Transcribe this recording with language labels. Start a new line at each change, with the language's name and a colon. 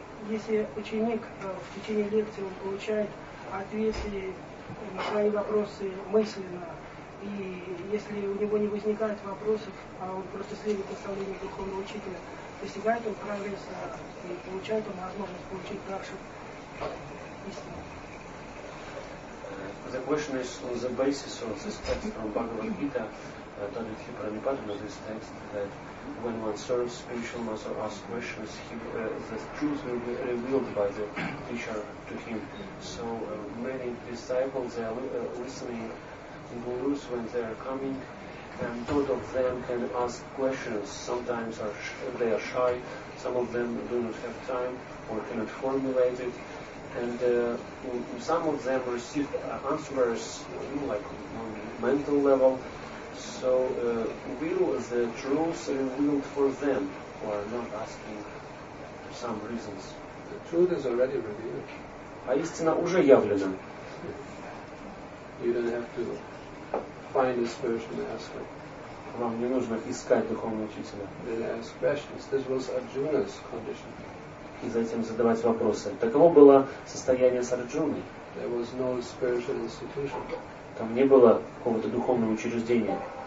Russian: Если ученик в течение лекции он получает ответы на свои вопросы мысленно, и если у него не возникает вопросов, а он просто следует наставлению духовного учителя, достигает он прогресса и получает он возможность получить дальше истину.
English: The question is on the basis of this text from Bhagavad Gita, Tadvithi Pranipatana, this text that when one serves spiritual master, asks questions, the truth will be revealed by the teacher to him. So many disciples, they are listening to gurus when they are coming, and both of them can ask questions. Sometimes they are shy, some of them do not have time or cannot formulate it. And some of them received answers like on mental level. So will the truth revealed for them who are not asking for some reasons? The truth is already revealed.
Russian: А истина уже явлена.
English: You don't have to find a spiritual master.
Russian: Вам не нужно искать духовного учителя.
English: They ask questions. This was Arjuna's condition.
Russian: И затем задавать вопросы. Таково было состояние Сарджуны.
English: There was no spiritual institution.
Russian: Там не было какого-то духовного учреждения.